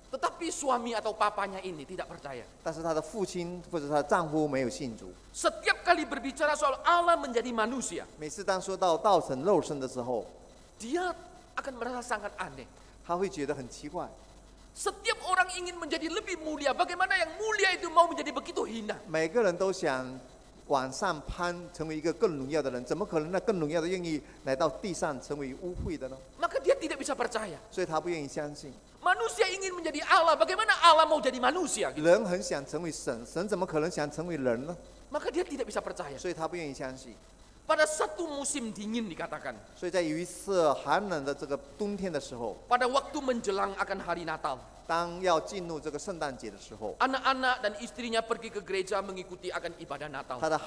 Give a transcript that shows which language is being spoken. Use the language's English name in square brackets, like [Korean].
[Indonesian] Tetapi suami atau papanya ini tidak percaya. [Chinese] 但是他的父亲或者他的丈夫没有信主. [Indonesian] Setiap kali berbicara soal Allah menjadi manusia, [Chinese] 每次当说到道成肉身的时候, [Indonesian] dia akan merasa sangat aneh. [Chinese] 他会觉得很奇怪. [Indonesian] Setiap orang ingin menjadi lebih mulia, bagaimana yang mulia itu mau menjadi begitu hina? [Chinese] 每个人都想往上攀成为一个更荣耀的人, 怎么可能那更荣耀的愿意来到地上成为污秽的呢? [Indonesian] Maka dia tidak bisa percaya. [Chinese] 所以他不愿意相信. [Indonesian] Manusia ingin menjadi Allah, bagaimana Allah mau jadi manusia? [Chinese] 人很想成为神, 神怎么可能想成为人呢? [Indonesian] Maka dia tidak bisa percaya. [Chinese] 所以他不愿意相信. [Indonesian] Pada satu musim dingin dikatakan. [Chinese] 所以在有一次寒冷的这个冬天的时候, [Indonesian] pada waktu menjelang akan hari Natal. [Chinese] 当要进入这个圣诞节的时候, [Indonesian] anak-anak dan istrinya pergi ke gereja mengikuti akan ibadah Natal.